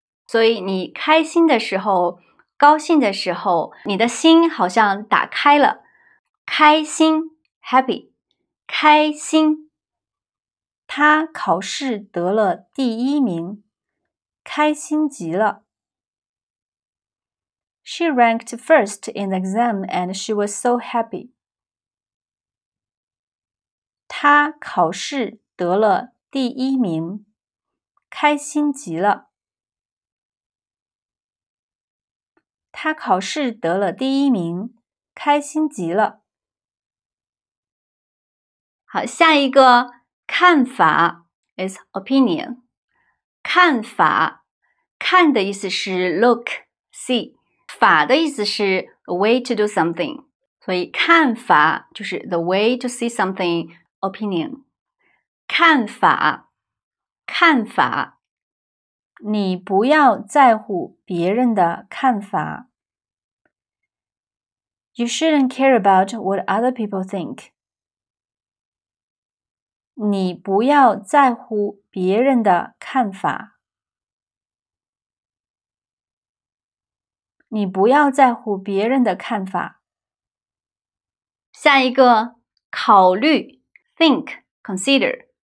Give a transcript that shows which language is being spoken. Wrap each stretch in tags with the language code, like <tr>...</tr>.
<zh>所以你开心的时候，高兴的时候，你的心好像打开了。开心 ，happy, 开心。他考试得了第一名，开心极了。</zh> <en>She ranked first in the exam and she was so happy.</en> <zh>她考试得了第一名，开心极了。她考试得了第一名，开心极了。好，下一个，看法 is opinion. 看法，看的意思是 look, see. 法的意思是 a way to do something，所以看法就是 the way to see something opinion。看法，看法，你不要在乎别人的看法。</zh> <en>You shouldn't care about what other people think。</en> <zh>你不要在乎别人的看法。你不要在乎别人的看法。下一个，考虑 ，think, consider。</zh>